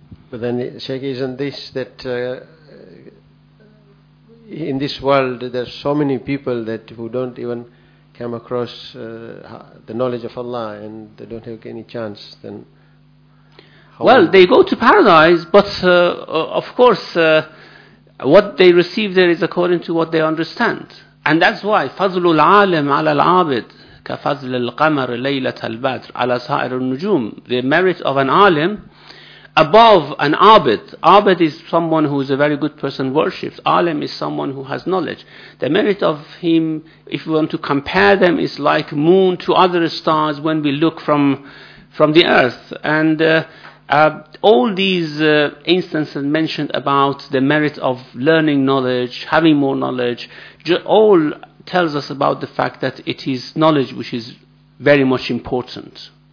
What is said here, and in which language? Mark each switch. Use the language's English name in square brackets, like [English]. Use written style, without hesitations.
[English] But then, Sheikh, isn't this that in this world there are so many people that who don't even come across the knowledge of Allah and they don't have any chance, then well, they go to paradise, but of course, what they receive there is according to what they understand. And that's why, [Arabic] فَضْلُ الْعَالِمْ عَلَى الْعَابِدِ كَفَضْلِ الْقَمَرِ لَيْلَةَ الْبَدْرِ عَلَى سَائِرِ النُّجُومِ. [English] The merit of an alim above an abid. Abid is someone who is a very good person worships. Alim is someone who has knowledge. The merit of him, if we want to compare them, is like moon to other stars when we look from the earth. And all these instances mentioned about the merit of learning knowledge, having more knowledge, all tells us about the fact that it is knowledge which is very much important.